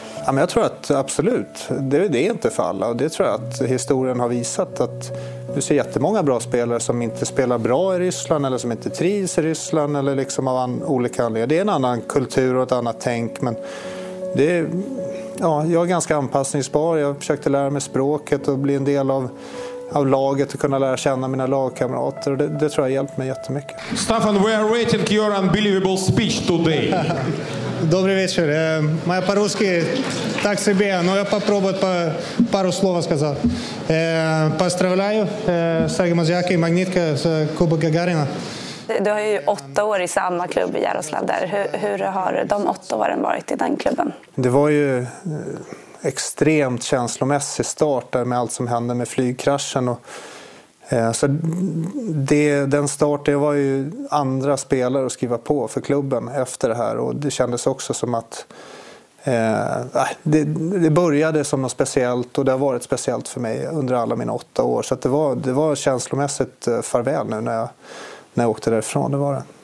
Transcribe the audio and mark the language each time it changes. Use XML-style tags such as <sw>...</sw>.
<sv>Ja, men jag tror att absolut, det är inte för alla och det tror jag att historien har visat, att du ser jättemånga bra spelare som inte spelar bra i Ryssland eller som inte trivs i Ryssland eller liksom av olika anledningar. Det är en annan kultur och ett annat tänk, men det är, ja, jag är ganska anpassningsbar. Jag försökte lära mig språket och bli en del av laget och kunna lära känna mina lagkamrater, och det tror jag hjälpt mig jättemycket.</sv> <en>Staffan, we are waiting your unbelievable speech today.</en> <ru>Добрый вечер. Моя по-русски так себе, но я попробую пару слов сказать. Поздравляю с Агимазьяки и Магнитка с Кубок Гагарина.</ru> <sv>Du har ju 8 år i samma klubb i Jaroslav där. Hur har de 8 åren varit i den klubben? Det var ju extremt känslomässigt start där med allt som hände med flygkraschen och så den starten, det var ju andra spelare att skriva på för klubben efter det här, och det kändes också som att det började som något speciellt, och det har varit speciellt för mig under alla mina 8 år, så att det var känslomässigt farväl nu när jag åkte därifrån, det var det.</sv>